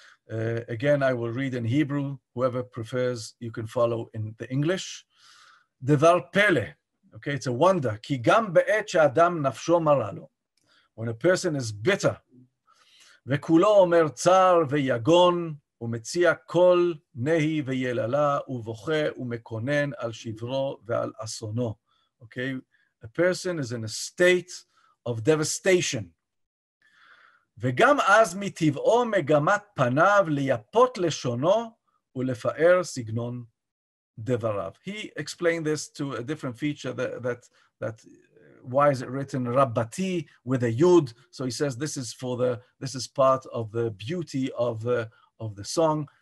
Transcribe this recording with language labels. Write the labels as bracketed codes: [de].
[en] Again, I will read in Hebrew. Whoever prefers, you can follow in the English. [he] Devar pele, [en] okay, it's a wonder. [he] Ki gam be'et she'adam nafsho maralo, [en] when a person is bitter, [he] וכולו אומר צער ויגון, ומציע כל נהי ויללה, ובוכה ומקונן על שברו ועל אסונו. [en] Okay, a person is in a state of devastation. [he] וגם אז מטבעו מגמת פניו ליפות לשונו ולפאר סגנון דבריו. [en] He explained this to a different feature that why is it written Rabbati with a yud? So he says this is part of the beauty of the song.